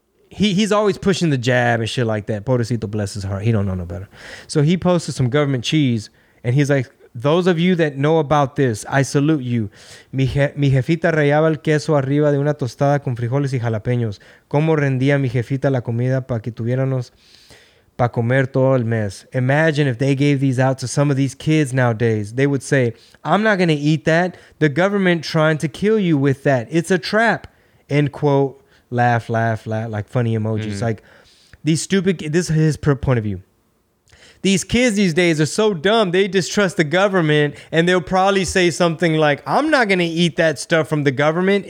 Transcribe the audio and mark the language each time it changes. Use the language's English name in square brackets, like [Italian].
[English] He's always pushing the jab and shit like that. Pobrecito, bless his heart. He don't know no better. So he posted some government cheese, and he's like, Those of you that know about this, I salute you. [Spanish] Mi jefita rayaba el queso arriba de una tostada con frijoles y jalapeños. ¿Cómo rendía mi jefita la comida para que tuviéramos para comer todo el mes? [English] Imagine if they gave these out to some of these kids nowadays. They would say, I'm not going to eat that. The government trying to kill you with that. It's a trap. End quote. Laugh, laugh, laugh. Like funny emojis. Mm-hmm. Like these stupid, this is his point of view. These kids these days are so dumb, they distrust the government, and they'll probably say something like, I'm not going to eat that stuff from the government.